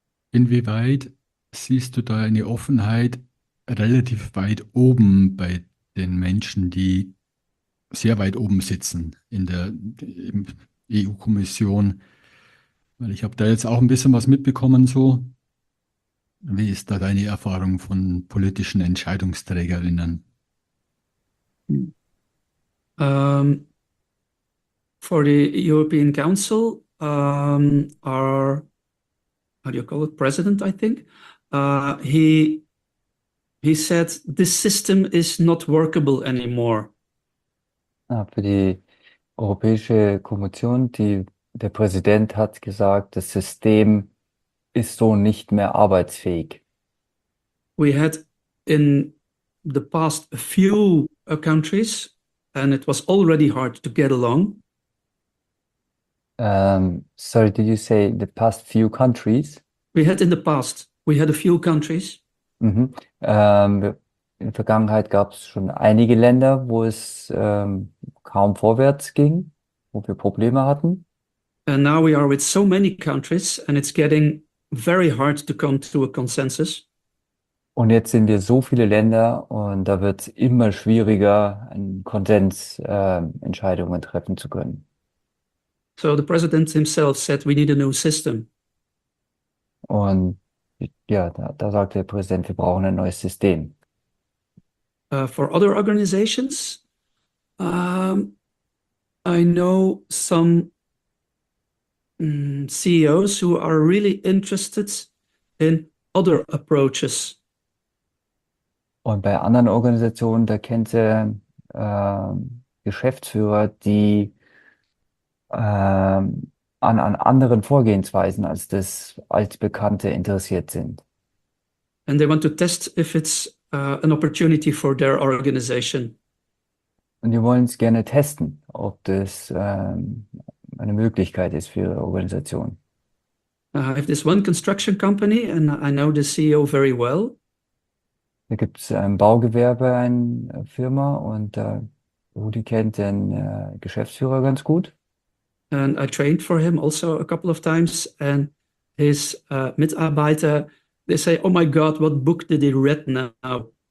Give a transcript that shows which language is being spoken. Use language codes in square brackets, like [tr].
[de] Inwieweit siehst du da eine Offenheit relativ weit oben bei den Menschen, die sehr weit oben sitzen in der EU-Kommission? Weil ich habe da jetzt auch ein bisschen was mitbekommen, so. Wie ist da deine Erfahrung von politischen Entscheidungsträgerinnen? [en] For the European Council, our, how do you call it, president, I think, he said this system is not workable anymore. [de] Für die Europäische Kommission, der Präsident hat gesagt, das System ist so nicht mehr arbeitsfähig. [en] We had in the past a few countries. And it was already hard to get along. Sorry, did you say the past few countries? We had in the past, we had a few countries. [de] In der Vergangenheit gab es schon einige Länder, wo es kaum vorwärts ging, wo wir Probleme hatten. [en] And now we are with so many countries, and it's getting very hard to come to a consensus. [de] Und jetzt sind wir so viele Länder, und da wird es immer schwieriger, einen Konsens Entscheidungen treffen zu können. [en] So the president himself said we need a new system. [de] Und ja, da sagt der Präsident, wir brauchen ein neues System. [en] For other organizations, I know some CEOs who are really interested in other approaches. [de] Und bei anderen Organisationen, da kennt ihr Geschäftsführer, die an anderen Vorgehensweisen als das Altbekannte interessiert sind. [en] And they want to test if it's an opportunity for their organization. [de] Und die wollen es gerne testen, ob das eine Möglichkeit ist für ihre Organisation. [en] If this one construction company, and I know the CEO very well. [de] Da gibt es ein Baugewerbe, eine Firma, und Rudi kennt den Geschäftsführer ganz gut. [en] And I trained for him also a couple of times, and his Mitarbeiter. They say, "Oh my God, what book did he read now?